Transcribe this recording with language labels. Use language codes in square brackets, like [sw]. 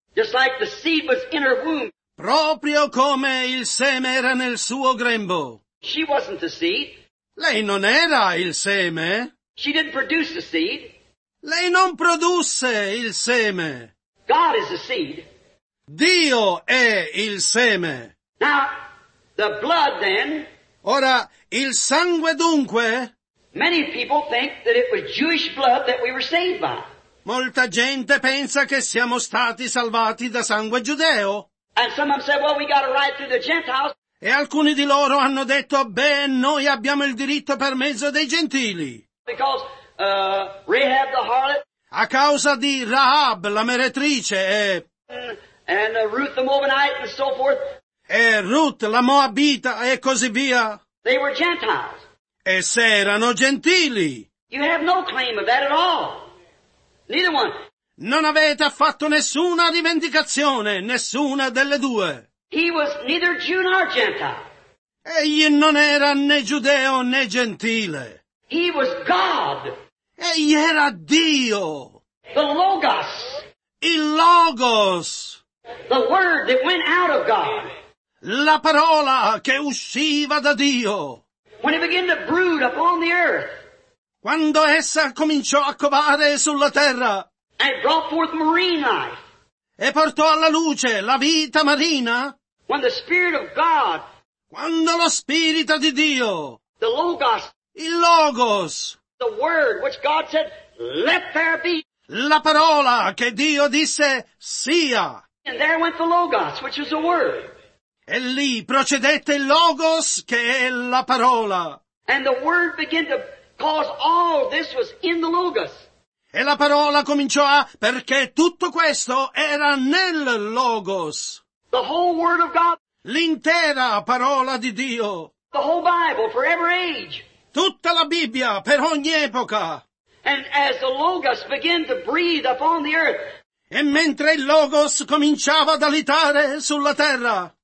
[en] Just like the seed was in her womb. [it] Proprio come il seme era nel suo grembo. [en] She wasn't the seed. [it] Lei non era il seme. [en] She didn't produce the seed. [it] Lei non produsse il seme. [en] God is the seed. [it] Dio è il seme. [en] Now, the blood then. [it] Ora, il sangue dunque. [en] Many people think that it was Jewish blood that we were saved by. [it] Molta gente pensa che siamo stati salvati da sangue giudeo. [en] And some of them said, well, we got a right through the Gentiles. [it] E alcuni di loro hanno detto, beh, noi abbiamo il diritto per mezzo dei gentili. [en] Because Rahab the harlot. [it] A causa di Rahab, la meretrice, e... [en] And Ruth the Moabite and so forth. [it] E Ruth, la Moabita, e così via. [en] They were Gentiles. [it] E se erano gentili. [en] You have no claim of that at all. Neither one. [it] Non avete affatto nessuna rivendicazione, nessuna delle due. [en] He was neither Jew nor Gentile. [it] Egli non era né giudeo né gentile. [en] He was God. [it] Egli era Dio. [en] The Logos. [it] Il Logos. [en] The word that went out of God. [it] La parola che usciva da Dio. [en] When it began to brood upon the earth. [it] Quando essa cominciò a covare sulla terra. [en] And it brought forth marine life. [it] E portò alla luce la vita marina. [en] When the Spirit of God. [it] Quando lo Spirito di Dio. [en] The Logos. [it] Il Logos. [en] The word which God said, let there be. [it] La parola che Dio disse, sia. [en] And there went the Logos, which is the word. [it] E lì procedette il Logos, che è la parola. [en] And the word began to cause all this was in the Logos. [it] E la parola cominciò a, perché tutto questo era nel Logos. [en] The whole word of God. [it] L'intera parola di Dio. [en] The whole Bible for every age. [it] Tutta la Bibbia per ogni epoca. [en] And as the Logos began to breathe upon the earth. [it] E mentre il Logos cominciava ad alitare sulla terra.